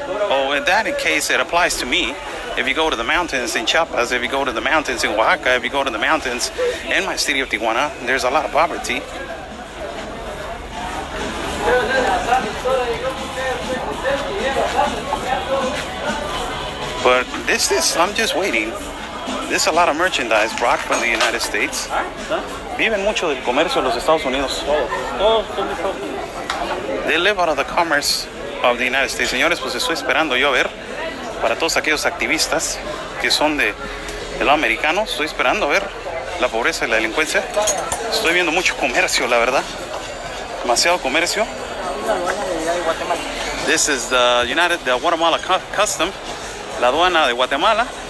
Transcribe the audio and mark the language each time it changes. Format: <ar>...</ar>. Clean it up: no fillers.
<en>Oh, in that case, it applies to me. If you go to the mountains in Chiapas, if you go to the mountains in Oaxaca, if you go to the mountains in my city of Tijuana, there's a lot of poverty. But this is, I'm just waiting. This is a lot of merchandise brought from the United States.</en> <es>Viven mucho del comercio de los Estados Unidos.</es> <en>They live out of the commerce of the United States.</en> <es>Señores, pues estoy esperando yo a ver para todos aquellos activistas que son de lo americano. Estoy esperando a ver la pobreza y la delincuencia. Estoy viendo mucho comercio, la verdad. Demasiado comercio.</es> <en>This is the United, the Guatemala Custom,</en> <es>la aduana de Guatemala.</es>